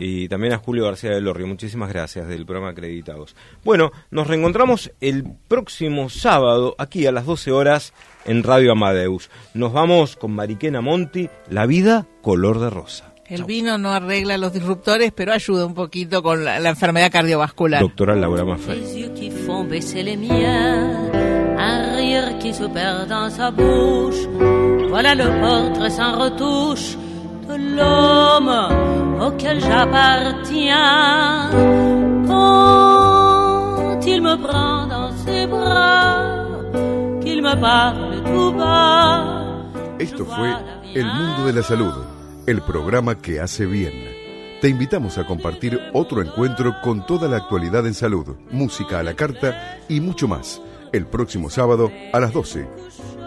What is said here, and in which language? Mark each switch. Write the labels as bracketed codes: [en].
[es] Y también a Julio García del Orrio, muchísimas gracias, del programa Acreditados. Bueno, nos reencontramos el próximo sábado, aquí a las 12 horas, en Radio Amadeus. Nos vamos con Mariquena Monti, La Vida Color de Rosa. Vino no arregla los disruptores, pero ayuda un poquito con la enfermedad cardiovascular. Doctora Laura Maffei. [fr] Les yeux qui font baisser les miens, un rire qui se perd dans sa bouche. Voilà le portrait sans retouche de l'homme auquel j'appartiens. Quand il me prend dans ses bras, qu'il me parle tout bas. [es] Esto fue El Mundo de la Salud. El programa que hace bien. Te invitamos a compartir otro encuentro con toda la actualidad en salud, música a la carta y mucho más, el próximo sábado a las 12,